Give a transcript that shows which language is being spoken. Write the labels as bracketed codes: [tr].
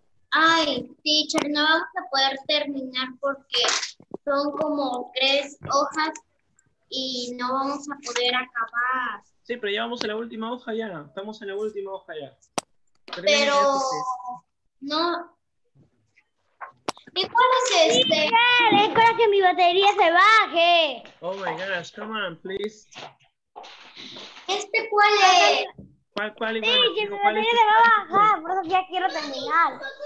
[es] Ay, teacher, no vamos a poder terminar porque son como 3 hojas y no vamos a poder acabar. Sí, pero ya vamos a la última hoja ya. Estamos en la última hoja ya. Pero no. ¿Y cuál es este? Teacher, es para que mi batería se baje. [en] Oh my gosh, come on, please. [es] ¿Este cuál es? ¿Cuál sí, bueno, que digo, me va a bajar, por eso ya quiero terminar.